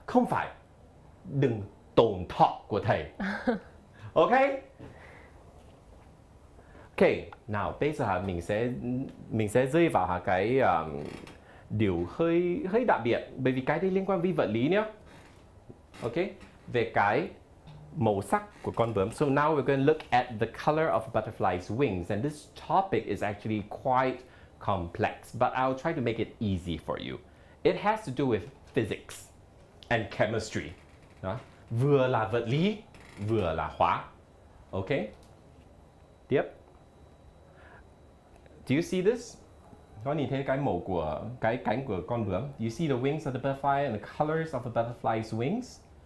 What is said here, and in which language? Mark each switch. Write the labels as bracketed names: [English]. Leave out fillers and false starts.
[Vietnamese] Không phải. Đừng tổn thọ của thầy. Ok? Ok, nào bây giờ mình sẽ rơi vào cái điều hơi đặc biệt, bởi vì cái đấy liên quan với vật lý nhé. Ok, về cái màu sắc của con bướm. [English] So now we're going to look at the color of butterfly's wings, and this topic is actually quite complex, but I'll try to make it easy for you. It has to do with physics and chemistry. [Vietnamese] Đó. Vừa là vật lý, vừa là hóa. Ok, tiếp. [English] Do you see this? [Vietnamese] Có nhìn thấy cái màu của cái cánh của con bướm? [English] Do you see the wings of the butterfly and the colors of the butterfly's wings?